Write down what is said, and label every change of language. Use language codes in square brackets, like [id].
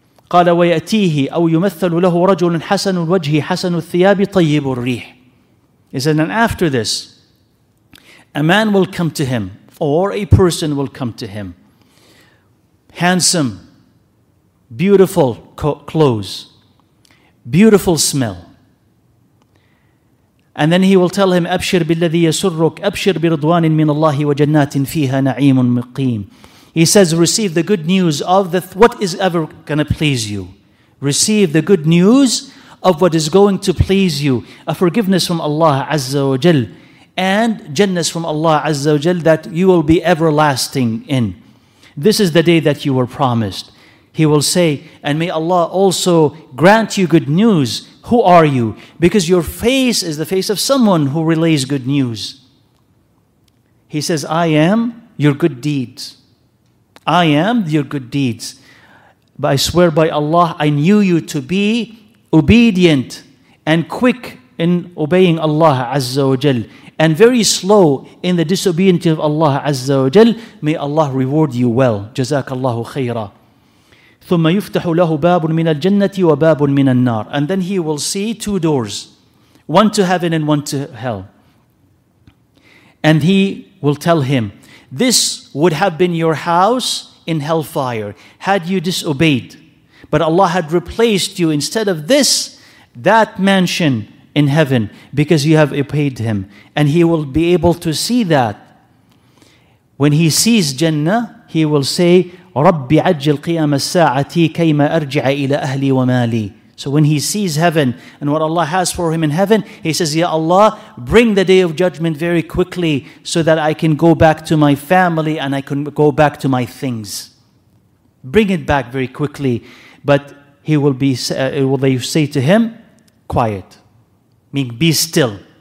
[ar] قَالَ وَيَأْتِيهِ أَوْ يُمَثَّلُ لَهُ رَجُلٌ حَسَنُ الْوَجْهِ حَسَنُ الثِّيَابِ طَيِّبُ الرِّيحِ. [en] He said, and after this, a man will come to him, or a person will come to him, handsome, beautiful clothes, beautiful smell. And then he will tell him, أَبْشِرْ بِالَّذِي يَسُرُّكْ أَبْشِرْ بِرِضْوَانٍ مِّنَ اللَّهِ وَجَنَّاتٍ فِيهَا نَعِيمٌ مُقِيمٌ. He says, receive the good news of what is ever going to please you. Receive the good news of what is going to please you, a forgiveness from Allah Azza wa Jal, and Jannah from Allah Azza wa Jal that you will be everlasting in. This is the day that you were promised. He will say, and may Allah also grant you good news. Who are you? Because your face is the face of someone who relays good news. He says, I am your good deeds. I am your good deeds. But I swear by Allah, I knew you to be obedient and quick in obeying Allah Azza wa Jal and very slow in the disobedience of Allah Azza wa Jal. May Allah reward you well. [ar] Jazakallahu khayra. ثم يفتح له باب من الجنة وباب من النار. [en] And then he will see two doors, one to heaven and one to hell. And he will tell him, this would have been your house in hellfire had you disobeyed. But Allah had replaced you instead of this, that mansion in heaven, because you have obeyed Him. And He will be able to see that. When He sees Jannah, He will say, [ar] رَبِّ عَجِّلْ قِيَامَ السَّاعَةِ كَيْمَ أَرْجِعَ إِلَىٰ أَهْلِي وَمَالِي. [en] So when He sees heaven and what Allah has for Him in heaven, He says, Ya Allah, bring the day of judgment very quickly so that I can go back to my family and I can go back to my things. Bring it back very quickly. But he will be. Will they say to him, quiet, meaning be still.